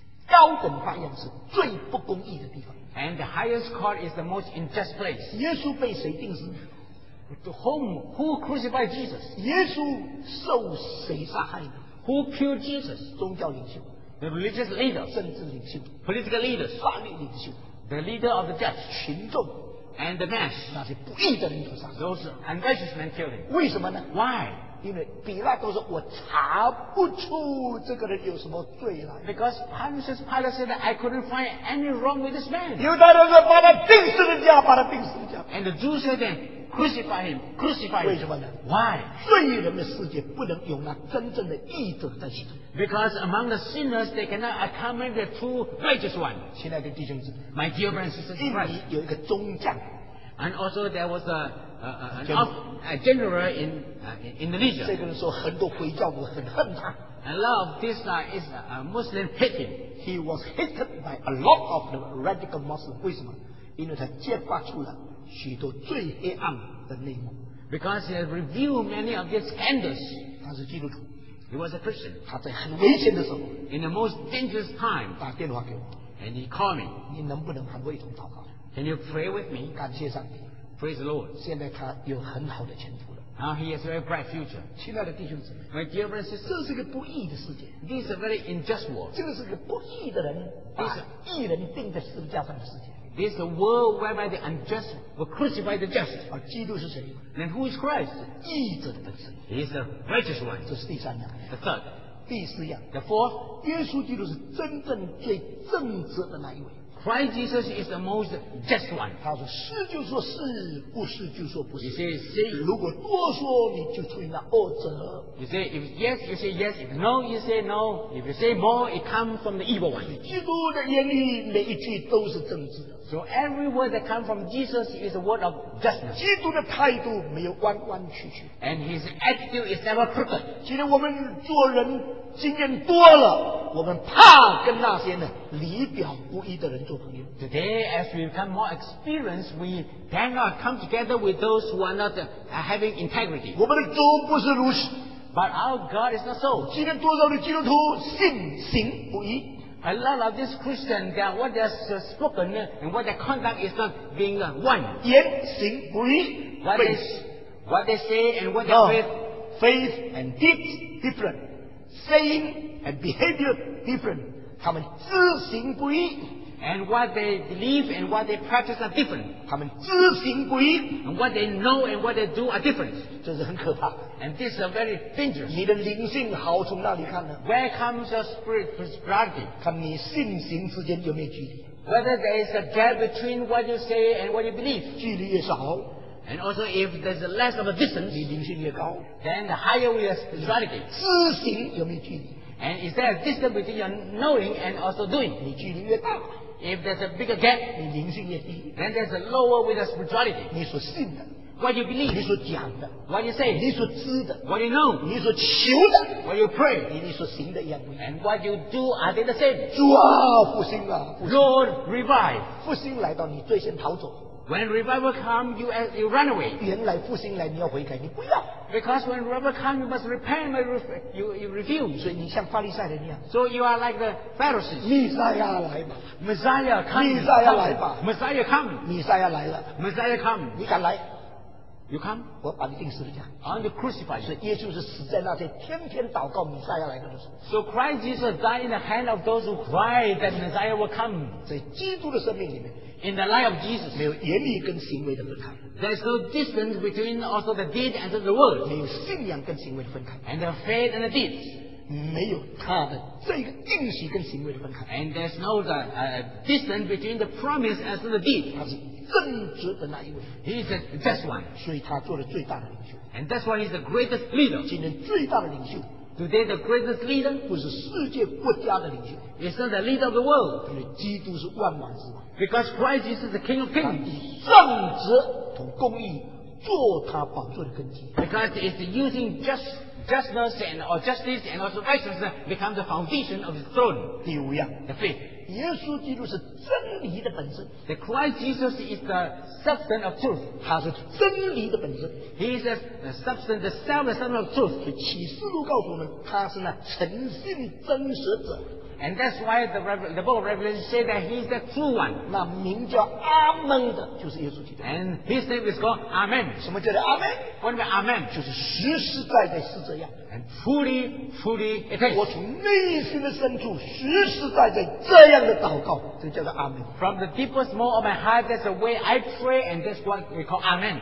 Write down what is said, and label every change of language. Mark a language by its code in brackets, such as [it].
[zh] 高等法院是最不公义的地方。 [en] And the highest court is the most unjust place. [zh] 耶稣被谁钉死？ [en] Who crucified Jesus? [zh] 耶稣受谁杀害呢？ [en] Who killed Jesus? [zh] 宗教领袖。 [en] The religious leader. [zh] 政治领袖。 [en] Political leader. [zh] 法律领袖。 [en] The leader of the judge. [zh] 群众。 [en] And the mass. [zh] 那些不义的人都杀死。 [en] Those unrighteous men killed him. [zh] 为什么呢？ [en] Why? [zh] 因为比拉多说我查不出这个人有什么罪来。 [en] Because Pontius Pilate said that I couldn't find any wrong with this man. [zh] 犹大人说把他钉死人家，把他钉死人家。 [en] And the Jews said then, crucify him, crucify him. [zh] 为什么呢？ [en] Why? [zh] 罪人的世界不能容纳真正的义者在其中。 [en] Because among the sinners, they cannot accommodate the true righteous one. [zh] 亲爱的弟兄姊妹， [en] My dear brothers and sisters, [zh] 印尼有一个中将。 [en] And also there was a general in Indonesia. [zh] 这个人说很多回教徒很恨他。 [en] A lot of this is a Muslim hate him. He was hated by a lot of the radical Muslims. [zh] 为什么？因为他揭发出了许多最黑暗的内幕。 [en] Because he has revealed many of these scandals. [zh] 他是基督徒。 [en] He was a Christian. [zh] 他在很危险的时候。 [en] In the most dangerous time. [zh] 打电话给我。 [en] And he called me. [zh] 你能不能和我一同祷告？ [en] Can you pray with me? [zh] 感谢上帝。 [en] Praise the Lord. [zh] 现在他有很好的前途了。 [en] Now he has a very bright future. [zh] 亲爱的弟兄姊妹。 [en] My dear brothers and sisters. [zh] 这是个不义的世界。 [en] This is a very unjust world. [zh] 这是个不义的人把义人钉在十字架上的世界。 [en] This is a world whereby the unjust will crucify the just. [zh] 而基督是谁？ [en] Then who is Christ? [zh] 义者的本身。 [en] He is the righteous one. [zh] 这是第三样。 [en] The third. [zh] 第四样。 [en] The fourth. [zh] 耶稣基督是真正最正直的那一位。 [en] Christ Jesus is the most just one. [zh] 他说是就说是，不是就说不是。 [en] He says, say, [zh] 如果多说你就出现了恶者。 [en] You say, if yes, you say yes. If no, you say no. If you say more, it comes from the evil one. [zh] 基督的言语每一句都是正直的。 [en] So every word that comes from Jesus is a word of justness. [zh] 基督的态度没有弯弯曲曲。 [en] And his attitude is never crooked. [zh] 其实我们做人经验多了，我们怕跟那些呢里表不一的人做朋友。 [en] Today, as we become more experienced, we dare not come together with those who are not having integrity. [zh] 我们的主不是如此。 [en] But our God is not so. [zh] 今天多少的基督徒信行不一。 [en] A lot of these Christians, what they're spoken and what their conduct is not being one. [zh] 言行不一。 [en] What they say and what they faith. Faith and deeds different. Saying and behavior different. [zh] 他们知行不一。 [en] And what they believe and what they practice are different. [zh] 他们知行不一。 [en] And what they know and what they do are different. [zh] 这是很可怕。 [en] And this is very dangerous. [zh] 你的灵性好从哪里看呢？ [en] Where comes your spirit prosperity? [zh] 看你信行之间有没有距离。 [en] Whether there is a gap between what you say and what you believe. [zh] 距离越少。 [en] And also, if there's less of a distance, [zh] 你灵性越高， [en] then the higher we are spirituality. [zh] 知行有没有距离？ [en] And is there a distance between your knowing and also doing? [zh] 你距离越大， [en] if there's a bigger gap, [zh] 你灵性越低， [en] then there's a lower with the spirituality. [zh] 你所信的， [en] what you believe, [zh] 你所讲的， [en] what you say, [zh] 你所知的， [en] what you know, [zh] 你所求的， [en] what you pray, [zh] 你所行的一样。 [en] And what you do, are they the same? [zh] 主啊，复兴啊， [en] Lord, revive. [zh] 复兴来到，你最先逃走。 [en] When revival comes, you run away. [zh] 原来复兴来你要悔改，你不要。 [en] Because when revival comes, you must repent, you refuse. [zh] 所以你像法利赛人一样。 [en] So you are like the Pharisees. [zh] 弥赛亚来吧。 [en] Messiah come. [zh] 弥赛亚来吧。 [en] Messiah come. [zh] 弥赛亚来了。 [en] Messiah come. [zh] 你敢来？ [en] You come. [zh] 我把你钉十字架。 [en] I'm the crucified. [zh] 所以耶稣是死在那些天天祷告弥赛亚来的时候。 [en] So Christ Jesus died in the hand of those who cried that Messiah will come. [zh] 在基督的生命里面。 [en] In the light of Jesus, [zh] 没有言语跟行为的分开。 [en] There is no distance between also the deed and the word. [zh] 没有信仰跟行为的分开。 [en] And the faith and the deeds, [zh] 没有他的这个应许跟行为的分开。 [en] And there's no distance between the promise and the deed. [zh] 他是正直的那一位。 [en] He is the best one. [zh] 所以他做了最大的领袖。 [en] And that's why he's the greatest leader. [zh] 今天最大的领袖。 [en] Today the greatest leader [zh] 不是世界国家的领袖。 [en] It's not the leader of the world. [zh] 因为基督是万王之王。 [en] Because Christ Jesus is the King of Kings. [zh] 以正直和公义做他宝座的根基。 [en] Because it's using just justness and or justice and also righteousness become the foundation of his throne. [zh] 第五样, [en] the faith. [zh] 耶稣基督是真理的本质. [en] The Christ Jesus is the substance of truth. [zh] 他是真理的本质. [en] He is the substance, the self, the substance of truth. [zh] 启示录告诉我们他是那诚信真实者. [en] And that's why the book of Revelation says that he is the true one. [zh] 那名叫阿们的就是耶稣基督. [en] And his name is called Amen. [zh] 什么叫做阿们? [en] What about Amen? [zh] 就是实实在在是这样. [en] And fully, fully, it is. [zh] 我从内心的深处实实在在这样的祷告, 这叫做阿们. [en] From the deepest moment of my heart, that's the way I pray, and that's what we call Amen.